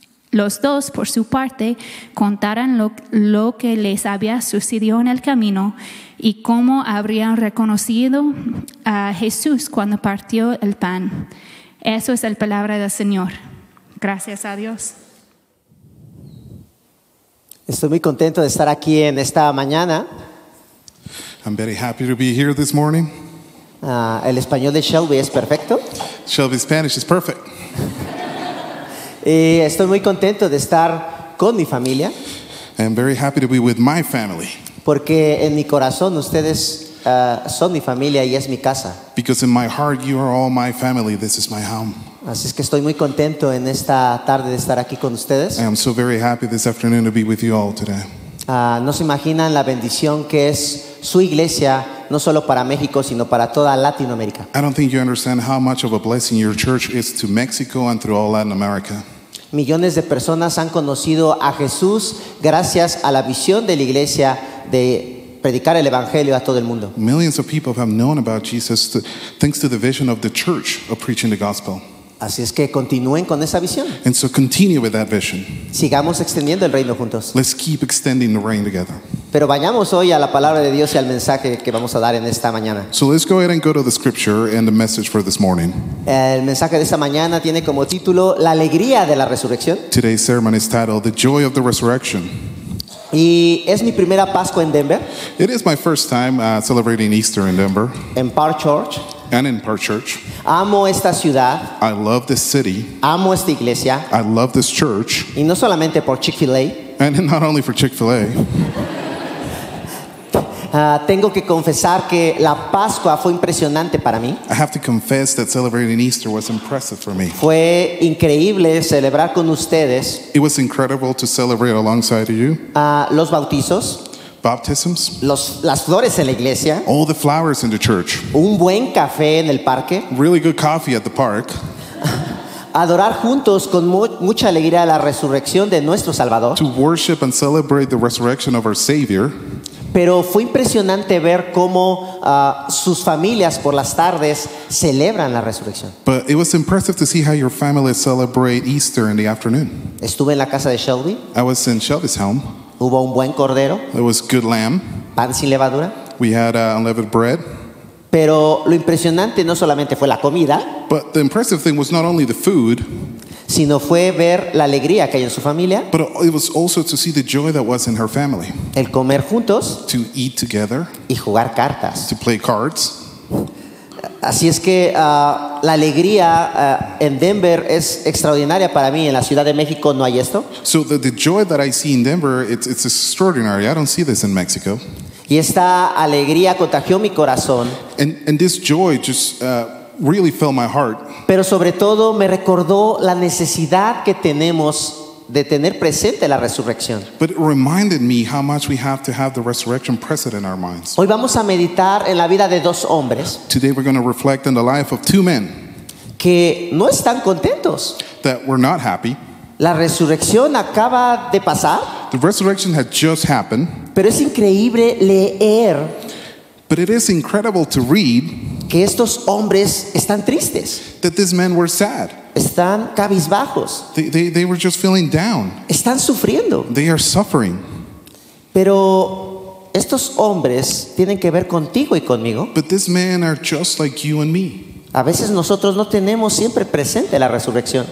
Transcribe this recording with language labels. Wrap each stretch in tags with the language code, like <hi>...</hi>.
<es>Los dos, por su parte, contaron lo que les había sucedido en el camino y cómo habrían reconocido a Jesús cuando partió el pan. Eso es la palabra del Señor. Gracias a Dios. Estoy muy contento de estar aquí en esta mañana.</es> <en>I'm very happy to be here this morning.</en> <es>El español de Shelby es perfecto.</es> <en>Shelby's Spanish is perfect.</en> <es>Y estoy muy contento de estar con mi familia.</es> <en>I'm very happy to be with my family.</en> <es>Porque en mi corazón ustedes son mi familia y es mi casa.</es> <en>Because in my heart you are all my family. This is my home.</en> <es>Así es que estoy muy contento en esta tarde de estar aquí con ustedes.</es> <en>I am so very happy this afternoon to be with you all today.</en> <es>No se imaginan la bendición que es su iglesia, no solo para México, sino para toda Latinoamérica.</es> <en>I don't think you understand how much of a blessing your church is to Mexico and through all Latin America.</en> <es>Millones de personas han conocido a Jesús gracias a la visión de la iglesia de predicar el evangelio a todo el mundo.</es> <en>Millions of people have known about Jesus thanks to the vision of the church of preaching the gospel.</en> <es>Así es que continúen con esa visión.</es> <en>And so continue with that vision.</en> <es>Sigamos extendiendo el reino juntos.</es> <en>Let's keep extending the reign together.</en> <es>Pero vayamos hoy a la palabra de Dios y al mensaje que vamos a dar en esta mañana.</es> <en>So let's go ahead and go to the scripture and the message for this morning.</en> <es>El mensaje de esta mañana tiene como título La alegría de la resurrección.</es> <en>Today's sermon is titled The Joy of the Resurrection.</en> <es>Y es mi primera Pascua en Denver.</es> <en>It is my first time celebrating Easter in Denver.</en> <es>En Park Church.</es> <en>And in Park Church.</en> <es>Amo esta ciudad.</es> <en>I love this city.</en> <es>Amo esta iglesia.</es> <en>I love this church.</en> <es>Y no solamente por Chick-fil-A.</es> <en>And not only for Chick-fil-A.</en> <es>Tengo que confesar que la Pascua fue impresionante para mí.</es> <en>I have to confess that celebrating Easter was impressive for me.</en> <es>Fue increíble celebrar con ustedes.</es> <en>It was incredible to celebrate alongside of you.</en> <es>Los bautizos.</es> <en>Baptisms.</en> <es>Las flores en la iglesia.</es> <en>All the flowers in the church.</en> <es>Un buen café en el parque.</es> <en>Really good coffee at the park.</en> <es>Adorar juntos con mucha alegría la resurrección de nuestro Salvador.</es> <en>To worship and celebrate the resurrection of our Savior.</en> <es>Pero fue impresionante ver cómo sus familias por las tardes celebran la resurrección.</es> <en>But it was impressive to see how your family celebrate Easter in the afternoon.</en> <es>Estuve en la casa de Shelby.</es> <en>I was in Shelby's home.</en> <es>Hubo un buen cordero.</es> <en>It was good lamb.</en> <es>Pan sin levadura.</es> <en>We had unleavened bread.</en> <es>Pero lo impresionante no solamente fue la comida.</es> <en>But the impressive thing was not only the food.</en> <es>Sino fue ver la alegría que hay en su familia.</es> <en>But it was also to see the joy that was in her family.</en> <es>El comer juntos.</es> <en>To eat together.</en> <es>Y jugar cartas.</es> <en>To play cards.</en> <es>Así es que la alegría en Denver es extraordinaria para mí. En la Ciudad de México no hay esto.</es> <en>So the joy that I see in Denver, it's extraordinary. I don't see this in Mexico.</en> <es>Y esta alegría contagió mi corazón.</es> <en>And this joy just really filled my heart.</en> <es>Pero sobre todo me recordó la necesidad que tenemos de tener presente la resurrección.</es> <en>But it reminded me how much we have to have the resurrection present in our minds.</en> <es>Hoy vamos a meditar en la vida de dos hombres.</es> <en>Today we're going to reflect on the life of two men.</en> <es>Que no están contentos.</es> <en>That were not happy.</en> <es>La resurrección acaba de pasar.</es> <en>The resurrection had just happened.</en> <es>Pero es increíble leer.</es> <en>But it is incredible to read.</en> <es>Que estos hombres están tristes.</es> <en>That these men were sad.</en> <es>Están cabizbajos.</es> <en>They were just feeling down.</en> <es>Están sufriendo.</es> <en>They are suffering.</en> <es>Pero estos hombres tienen que ver contigo y conmigo.</es> <en>But these men are just like you and me.</en> <es>A veces nosotros no tenemos siempre presente la resurrección.</es>